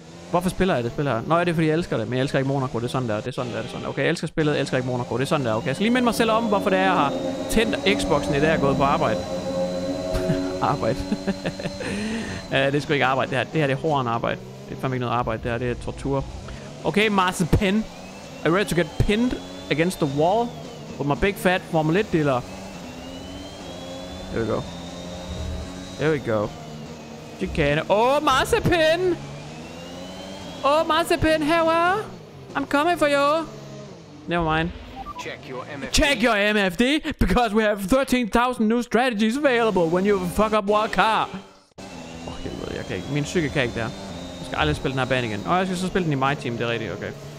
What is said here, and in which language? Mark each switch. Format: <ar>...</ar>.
<da>Hvorfor spiller jeg det spil her? Nå, er det fordi jeg elsker det, men jeg elsker ikke Monaco. Det er sådan der. Okay, jeg elsker spillet, jeg elsker ikke Monaco. Det er sådan der, okay. Så lige mind mig selv om, hvorfor det er, jeg har tændt Xboxen i dag og gået på arbejde. Arbejde. det er sgu ikke arbejde, det her. Det her det er hårdere end arbejde. Det er fandme ikke noget arbejde, det her. Det er tortur. Okay, Mazepin.</da> <en>I'm ready to get pinned against the wall with my big fat Formel 1-dealer. There we go. Chicane. Oh, Mazepin, how are you? I'm coming for you. Never mind. Check your MFD, because we have 13,000 new strategies available when you fuck up one car.</en> <da>Oh, helvede, jeg kan ikke. Min psyke kan ikke der. Jeg skal aldrig spille den her bane igen. Og jeg skal så spille den i my team, det er rigtigt, okay.</da>